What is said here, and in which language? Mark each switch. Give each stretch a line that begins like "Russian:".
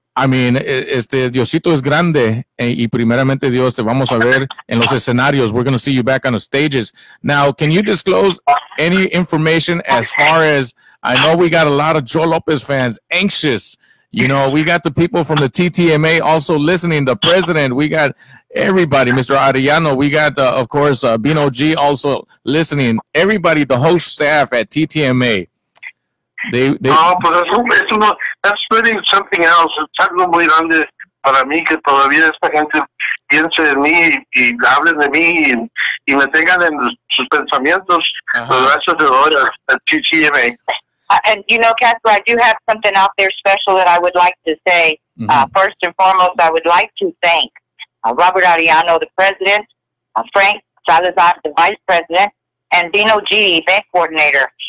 Spanish: I mean, Diosito es grande, y primeramente Dios, te vamos a ver en los escenarios.
English: We're going to see you back on the stages. Now, can you disclose any information as far as, I know we got a lot of Joe Lopez fans anxious. You know, we got the people from the TTMA also listening, the president. We got everybody, Mr. Arellano. We got, of course, Bino G also listening. Everybody, the whole staff at TTMA. That's really something else.
Spanish: Es algo muy grande para mí que todavía esta gente piense de mí y hablen de mí y me tengan en sus pensamientos.
English: And you know, Casper, I do have something out there special that I would like to say. Mm-hmm. First and foremost, I would like to thank Robert Arellano, the president, Frank Salazar, the vice president, and Dino G, event coordinator.